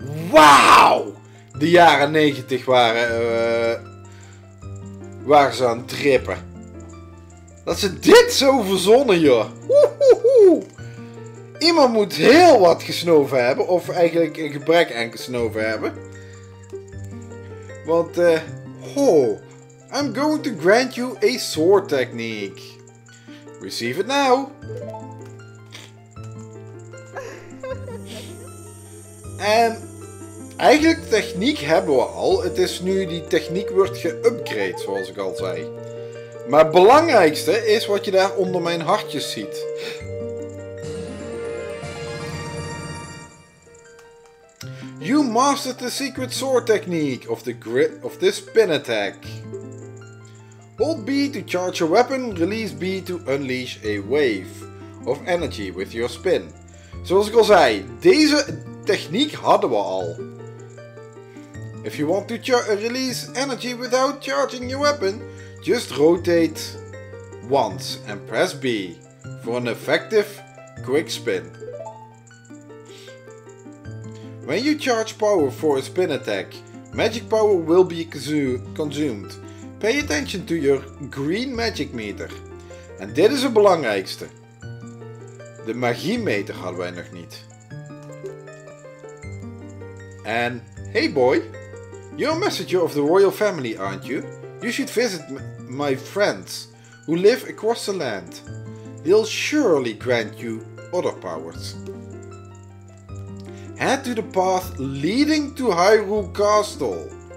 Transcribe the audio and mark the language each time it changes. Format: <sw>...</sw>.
<nl>Wauw! De jaren 90 waren. Waren ze aan het trippen. Dat ze dit zo verzonnen, joh. Woehoehoe. Iemand moet heel wat gesnoven hebben. Of eigenlijk een gebrek aan gesnoven hebben.</nl> <en>Want, I'm going to grant you a sword technique. Receive it now.</en> <nl>En, eigenlijk techniek hebben we al. Het is nu die techniek wordt geüpgrade, zoals ik al zei. Maar het belangrijkste is wat je daar onder mijn hartjes ziet.</nl> <en>You mastered the secret sword technique of the grip of the spin attack. Hold B to charge a weapon, release B to unleash a wave of energy with your spin.</en> <nl>Zoals ik al zei, deze techniek hadden we al.</nl> <en>If you want to release energy without charging your weapon, just rotate once and press B for an effective quick spin. When you charge power for a spin attack, magic power will be consumed. Pay attention to your green magic meter.</en> <nl>En dit is het belangrijkste. De magie meter hadden wij nog niet.</nl> <en>En hey boy, you're a messenger of the royal family, aren't you? You should visit my friends who live across the land. They'll surely grant you other powers. Head to the path leading to Hyrule Castle.</en>